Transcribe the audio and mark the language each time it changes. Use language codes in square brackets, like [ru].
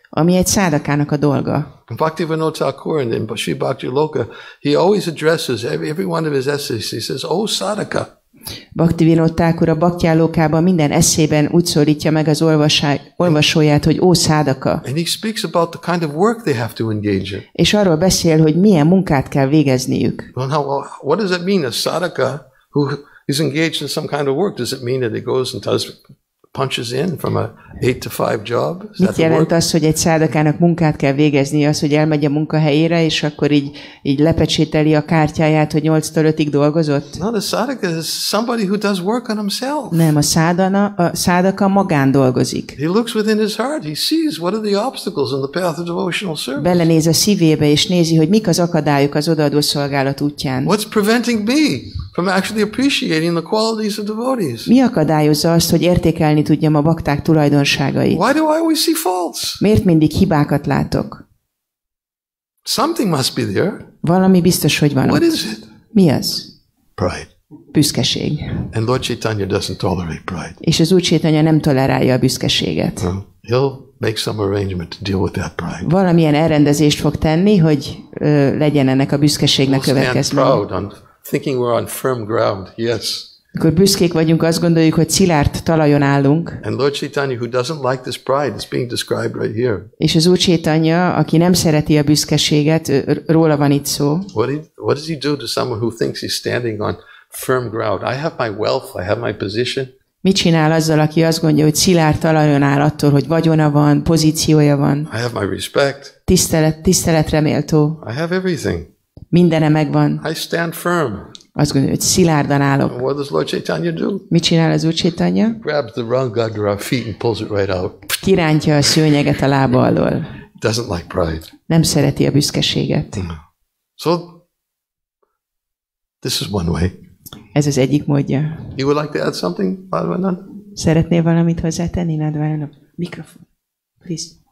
[hu] Ami egy sadakának a dolga. [en] Bhaktivinoda Thakur in Sri Bhakti Loka, he always addresses every one of his essays, he says, oh sadaka. [hu] Bhaktivinoda Thakur a Bhaktyalokában minden eszében úgy szólítja meg az olvasóját, hogy ó szádaka. [en] And he speaks about the kind of work they have to engage in. [hu] És arról beszél, hogy milyen munkát kell végezniük. [en] Well, now, what does it mean a sadaka who is engaged in some kind of work? Does it mean that he goes and does punches in from a 8-to-5 job? [hu] Mit jelent az, hogy egy szádakának munkát kell végeznie, az, hogy elmegy a munkahelyére, és akkor így lepecsételi a kártyáját, hogy 8-től 5-ig dolgozott? [en] No, the sadaka is somebody who does work on himself. [hu] Nem, a szádaka magán dolgozik. [en] He looks within his heart, he sees what are the obstacles in the path of devotional service. [hu] Belenéz a szívébe, és nézi, hogy mik az akadályok az odaadó szolgálat útján. [en] What's preventing me from actually appreciating the qualities of devotees? [hu] Mi akadályozza azt, hogy értékelni tudjam a bakták tulajdonságait? [en] Why do I always see faults? [hu] Miért mindig hibákat látok? [en] Something must be there. [hu] Valami biztos, hogy van. [en] What [hu] ott. [en] Is it? [hu] Mi az? [en] Pride. [hu] Büszkeség. [en] And Lord Caitanya doesn't tolerate pride. [hu] És az Úr Caitanya nem tolerálja a büszkeséget. [en] He'll make some arrangement to deal with that pride. [hu] Valamilyen elrendezést fog tenni, hogy legyen ennek a büszkeségnek következménye. [en] Thinking we're on firm ground, yes. [hu] Akkor büszkék vagyunk, azt gondoljuk, hogy szilárd talajon állunk. [en] And Lord Caitanya, who doesn't like this pride, is being described right here. [hu] És az Úr Caitanya, aki nem szereti a büszkeséget, róla van itt szó. [en] What does he do to someone who thinks he's standing on firm ground? I have my wealth, I have my position. [hu] Mit csinál azzal, aki azt gondolja, hogy szilárd talajon áll attól, hogy vagyona van, pozíciója van? [en] I have my respect. [hu] Tiszteletre méltó. [en] I have everything. [hu] Mindene megvan. [en] I stand firm. [hu] Azt gondolja, hogy szilárdan állok. [en] What does Lord Caitanya do? [hu] Mit csinál az Úr Caitanya? [en] Grabs the rug under our feet and pulls it right out. [hu] Kirántja a szőnyeget a lába alól. [en] Doesn't like pride. [hu] Nem szereti a büszkeséget. [en] So this is one way. [hu] Ez az egyik módja. [en] You would like to add something, Madhavananda? [hu] Szeretnél valamit hozzátenni, Madhavananda? Mikrofon, please.